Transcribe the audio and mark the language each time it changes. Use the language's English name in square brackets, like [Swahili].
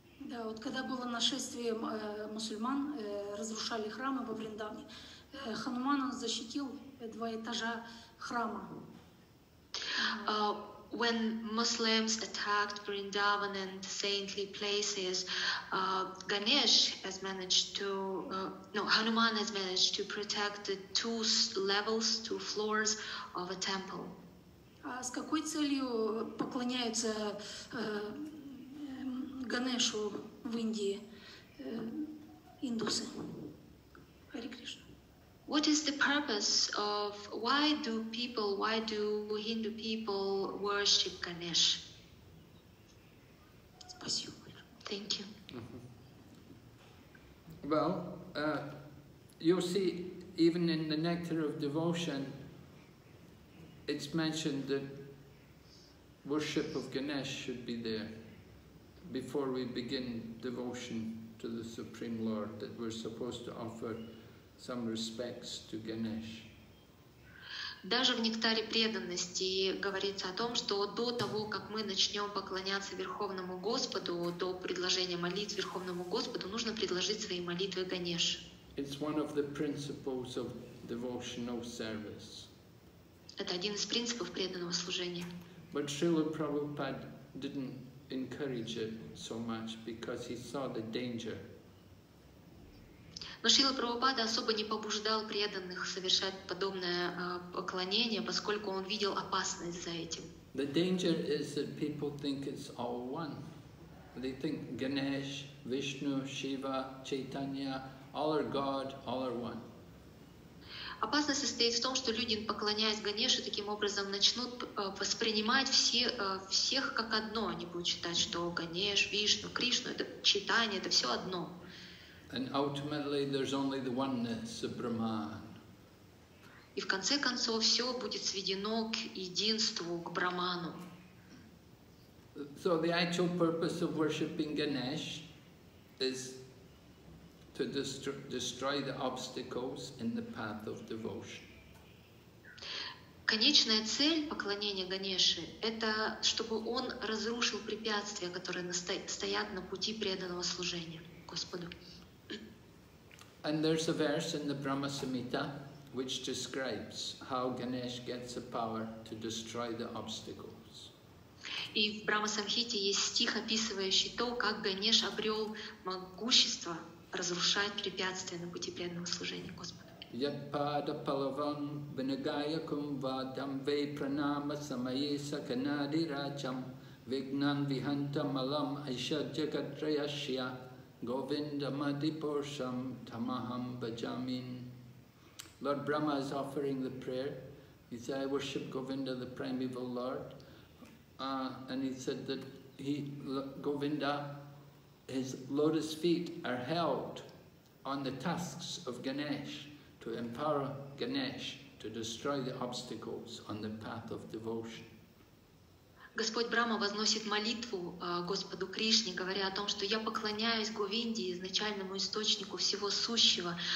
[Russian] Да, вот когда было нашествие мусульман, разрушали храмы во Вриндаване, Хануман защитил два этажа храма. [English] When Muslims attacked Vrindavan and saintly places, Hanuman has managed to protect the two levels, two floors of a temple. [Russian] А с какой целью поклоняются Ганешу в Индии, индусы? [English] Hare Krishna. What is the purpose of, why do Hindu people worship Ganesh? Thank you. Mm-hmm. Well, you'll see, even in the Nectar of Devotion, it's mentioned that worship of Ganesh should be there before we begin devotion to the Supreme Lord, that we're supposed to offer some respects to Ganesh. [Russian] Даже в Нектаре преданности говорится о том, что до того, как мы начнем поклоняться Верховному Господу, до предложения молитв Верховному Господу, нужно предложить свои молитвы Ганеш. [English] It's one of the principles of devotional service. [Russian] Это один из принципов преданного служения. [English] But Srila Prabhupada didn't encourage it so much because he saw the danger. [Russian] Но Шрила Прабхупада особо не побуждал преданных совершать подобное поклонение, поскольку он видел опасность за этим. [English] The danger is that people think it's all one. They think Ganesh, Vishnu, Shiva, Chaitanya, all are God, all are one. [Russian] Опасность состоит в том, что люди, поклоняясь Ганеше, таким образом начнут воспринимать всех как одно. Они будут считать, что Ганеш, Вишну, Кришну, это Чайтанья, это все одно. [English] And ultimately, there's only the oneness of Brahman. [Russian] И в конце концов все будет сведено к единству, к Брахману. [English] So the actual purpose of worshiping Ganesh is to destroy the obstacles in the path of devotion. [Russian] Конечная цель поклонения Ганеше – это чтобы он разрушил препятствия, которые стоят на пути преданного служения Господу. [English] And there's a verse in the Brahma Samhita which describes how Ganesh gets the power to destroy the obstacles. [Russian] И в Брахма Самхите есть стих, описывающий то, как Ганеш обрел могущество разрушать препятствия на пути преданного служения Господу. [Sanskrit] Япада палаван бинагаякум вадамве пранама самае саканади рачам вигнан виханта малам айшаджагатраяшья Govinda Madhipursham Tamaham Bhajamin. [English] Lord Brahma is offering the prayer. He said, I worship Govinda, the primeval Lord. And he said that Govinda, his lotus feet are held on the tusks of Ganesh to empower Ganesh to destroy the obstacles on the path of devotion. [Russian] Господь Брахма возносит молитву Господу Кришне, говоря о том, что я поклоняюсь Говинде, изначальному источнику всего сущего.